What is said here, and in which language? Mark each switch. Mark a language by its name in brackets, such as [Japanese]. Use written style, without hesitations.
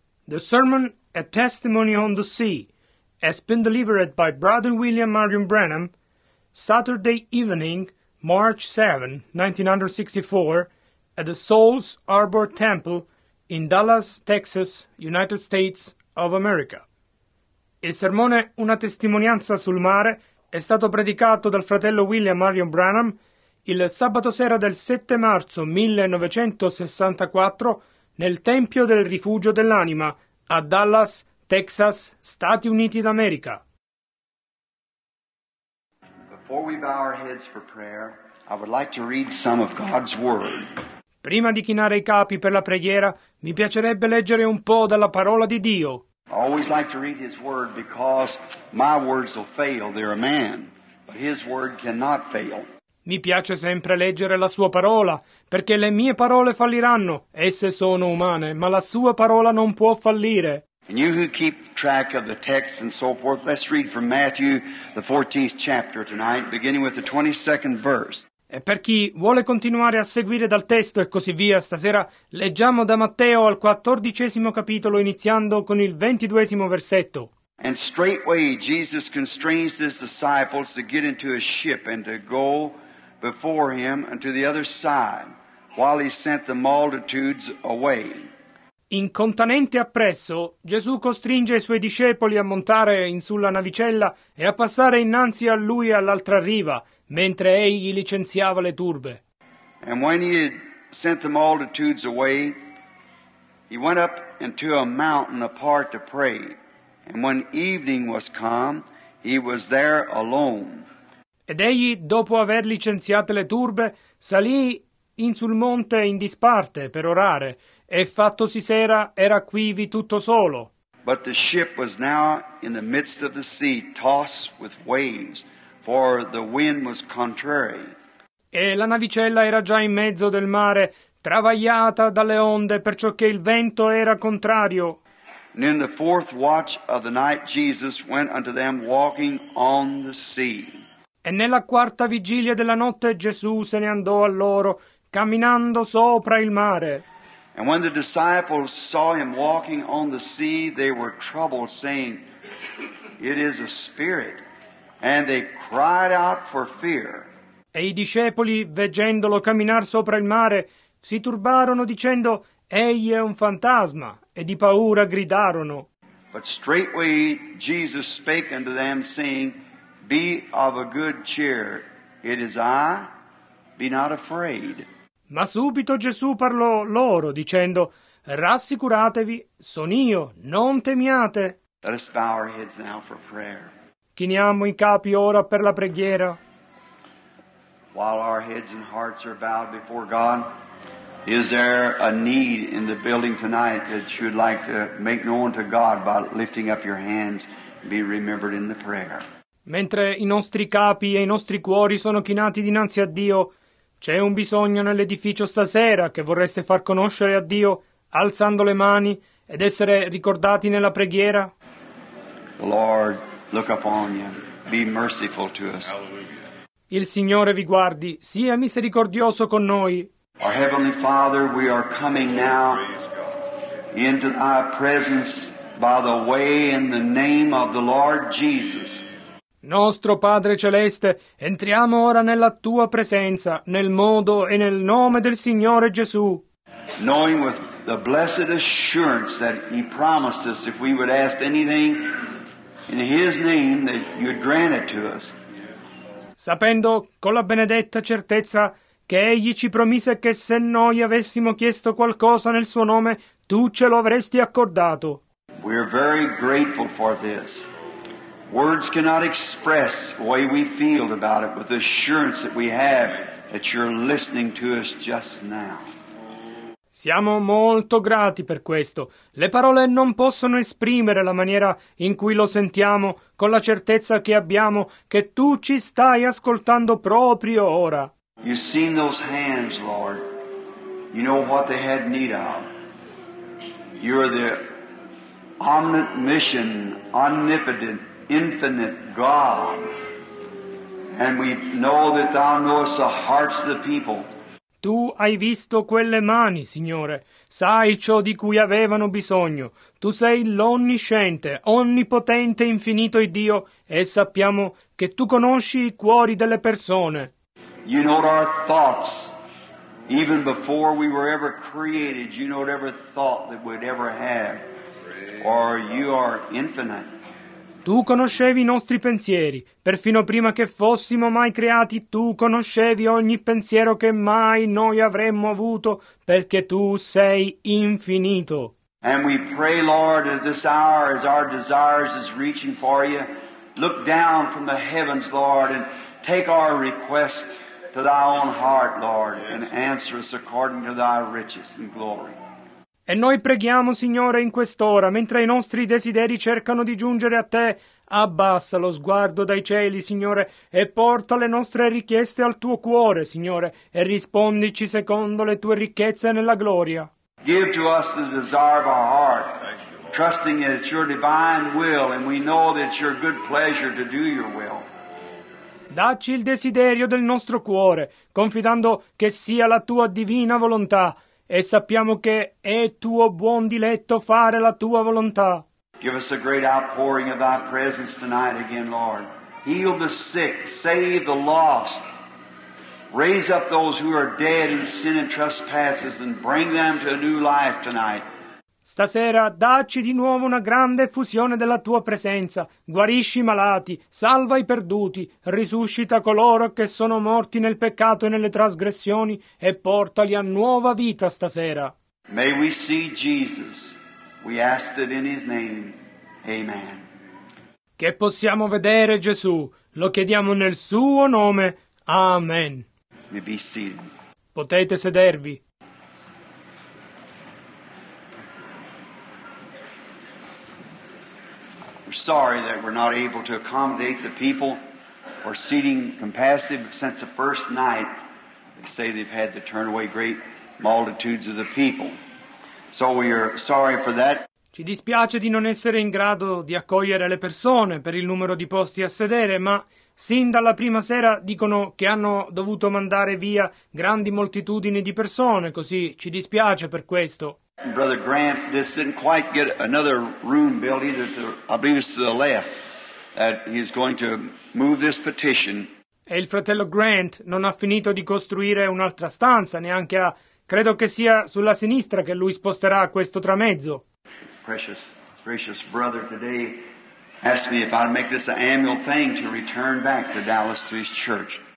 [English] The sermon, A Testimony on the Sea, has been delivered by Brother William Marion Branham, Saturday evening, March 7, 1964, at the Souls Arbor Temple in Dallas, Texas, United States of America. [Italian] Il sermone Una testimonianza sul mare è stato predicato dal fratello William Marion Branham il sabato sera del 7 marzo 1964 nel Tempio del Rifugio dell'Anima a Dallas, Texas, Stati Uniti d'America. [English] Before we bow our heads for prayer, I would like to read some of God's word. [Italian] Prima di chinare i capi per la preghiera, mi piacerebbe leggere un po' dalla parola di Dio. [English] I always like to read his word because my words will fail. They're a man, but his word cannot fail. [Italian] Mi piace sempre leggere la sua parola, perché le mie parole falliranno, esse sono umane, ma la sua parola non può fallire. [English] And you who keep track of the text and so forth, let's read from Matthew, the 14th chapter tonight, beginning with the 22nd verse. [Italian] E per chi vuole continuare a seguire dal testo e così via, stasera leggiamo da Matteo al 14° capitolo, iniziando con il 22° versetto. [English] And straightway Jesus constrains his disciples to get into a ship and to go before him unto the other side, while he sent the multitudes away. [Italian] Incontanente appresso, Gesù costringe i suoi discepoli a montare in sulla navicella e a passare innanzi a lui all'altra riva, mentre egli licenziava le turbe. [English] And when he had sent the multitudes away, he went up into a mountain apart to pray. And when evening was come, he was there alone. [Italian] Ed egli, dopo aver licenziate le turbe, salì in sul monte in disparte per orare, e fattosi sera era quivi tutto solo. [English] But the ship was now in the midst of the sea, tossed with waves, for the wind was contrary. [Italian] E la navicella era già in mezzo del mare, travagliata dalle onde, perciò che il vento era contrario. [English] And in the fourth watch of the night, Jesus went unto them walking on the sea. [Italian] E nella quarta vigilia della notte, Gesù se ne andò a loro, camminando sopra il mare. [English] And when the disciples saw him walking on the sea, they were troubled, saying, It is a spirit. And they cried out for fear. [Italian] E i discepoli, veggendolo camminar sopra il mare, si turbarono dicendo, Egli è un fantasma. E di paura gridarono. [English] But straightway Jesus spake unto them, saying, Be of a good cheer, it is I, be not afraid. [Italian] Ma subito Gesù parlò loro, dicendo, Rassicuratevi, son io, non temiate. [English] Let us bow our heads now for prayer. [Italian] Chiniamo i capi ora per la preghiera. [English] While our heads and hearts are bowed before God, Is there a need in the building tonight that you would like to make known to God by lifting up your hands and be remembered in the prayer? [Italian] Mentre i nostri capi e i nostri cuori sono chinati dinanzi a Dio, c'è un bisogno nell'edificio stasera che vorreste far conoscere a Dio alzando le mani ed essere ricordati nella preghiera? [English] Lord, look upon you. Be merciful to us. [Italian] Il Signore vi guardi, sia misericordioso con noi. [English] Our Heavenly Father, we are coming now into Thy presence by the way in the name of the Lord Jesus. [Italian] Nostro Padre Celeste, entriamo ora nella Tua presenza, nel modo e nel nome del Signore Gesù. [English] Knowing with the blessed assurance that He promised us if we would ask anything in His name that You'd grant it to us. [Italian] Sapendo con la benedetta certezza che egli ci promise che se noi avessimo chiesto qualcosa nel suo nome, tu ce lo avresti accordato. [English] We are very grateful for this. Words cannot express the way we feel about it, but the assurance that we have that you're listening to us just now. [Italian] Siamo molto grati per questo. Le parole non possono esprimere la maniera in cui lo sentiamo, con la certezza che abbiamo che tu ci stai ascoltando proprio ora. [English] You've seen those hands, Lord. You know what they had need of. You're the omniscient, omnipotent, infinite God. And we know that Thou knowest the hearts of the people. [Italian] Tu hai visto quelle mani, Signore. Sai ciò di cui avevano bisogno. Tu sei l'onnisciente, onnipotente, infinito e Dio, e sappiamo che tu conosci i cuori delle persone. [English] You know our thoughts. Even before we were ever created, you know every thought that we'd ever have. Or you are infinite. [Italian] Tu conoscevi i nostri pensieri, perfino prima che fossimo mai creati, tu conoscevi ogni pensiero che mai noi avremmo avuto, perché tu sei infinito. [English] And we pray, Lord, at this hour, as our desires is reaching for you, look down from the heavens, Lord, and take our request to thy own heart, Lord, and answer us according to thy riches and glory. [Italian] E noi preghiamo, Signore, in quest'ora, mentre i nostri desideri cercano di giungere a Te, abbassa lo sguardo dai cieli, Signore, e porta le nostre richieste al Tuo cuore, Signore, e rispondici secondo le Tue ricchezze nella gloria. [English] Give to us the desire of our heart, trusting that it's Your divine will, and we know that it's Your good pleasure to do Your will. [Italian] Dacci il desiderio del nostro cuore, confidando che sia la Tua divina volontà, e sappiamo che è tuo buon diletto fare la tua volontà. [English] Give us a great outpouring of thy presence tonight again, Lord. Heal the sick, save the lost. Raise up those who are dead in sin and trespasses and bring them to a new life tonight. [Italian] Stasera dacci di nuovo una grande effusione della tua presenza. Guarisci i malati, salva i perduti, risuscita coloro che sono morti nel peccato e nelle trasgressioni e portali a nuova vita stasera. [English] May we see Jesus. We ask it in his name. Amen. [Italian] Che possiamo vedere Gesù. Lo chiediamo nel suo nome. Amen. [English] May be seated. [Italian] Potete sedervi. [English] We're sorry that we're not able to accommodate the people for seating capacity since the first night. They say they've had to turn away great multitudes of the people. So we are sorry for that. [Italian] Ci dispiace di non essere in grado di accogliere le persone per il numero di posti a sedere, ma sin dalla prima sera dicono che hanno dovuto mandare via grandi moltitudini di persone, così ci dispiace per questo. [English] Brother Grant just didn't quite get another room built either. I believe it's to the left that he's going to move this petition. [Italian] E il fratello Grant non ha finito di costruire un'altra stanza, neanche a credo che sia sulla sinistra che lui sposterà questo tramezzo. [English] Precious, gracious brother today asked me if I'd make this an annual thing to return back to Dallas to his church.